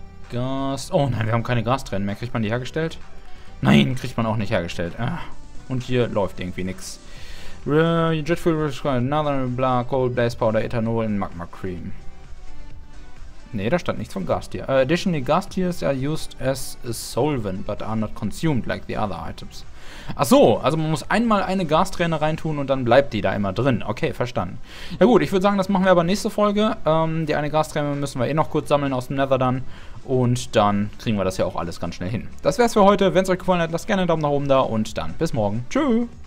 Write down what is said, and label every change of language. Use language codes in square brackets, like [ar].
[de] Gas... Oh nein, wir haben keine Gasträne mehr. Kriegt man die hergestellt? Nein, kriegt man auch nicht hergestellt. Und hier läuft irgendwie nichts. Jet Fuel, another Blah, Cold Blaze Powder, Ethanol und Magma Cream. Ne, da stand nichts von Gas hier. [en] Additionally, Gas tiers are used as a solvent, but are not consumed like the other items. [de] Achso, also man muss einmal eine Gasträne reintun und dann bleibt die da immer drin. Okay, verstanden. Ja gut, ich würde sagen, das machen wir aber nächste Folge. Die eine Gasträne müssen wir eh noch kurz sammeln aus dem Nether dann. Und dann kriegen wir das ja auch alles ganz schnell hin. Das wär's für heute. Wenn es euch gefallen hat, lasst gerne einen Daumen nach oben da. Und dann bis morgen. Tschüss.